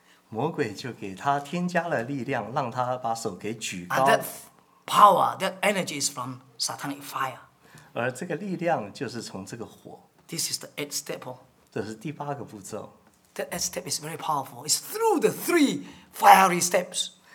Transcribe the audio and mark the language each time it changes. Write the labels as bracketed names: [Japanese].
[Chinese] 魔鬼就给他添加了力量让他把手给举高 [English] And that power, that energy is from satanic fire [Chinese] 而这个力量就是从这个火 [English] This is the eighth step [Chinese] 这是第八个步骤 [English] That eighth step is very powerful It's through the three fiery steps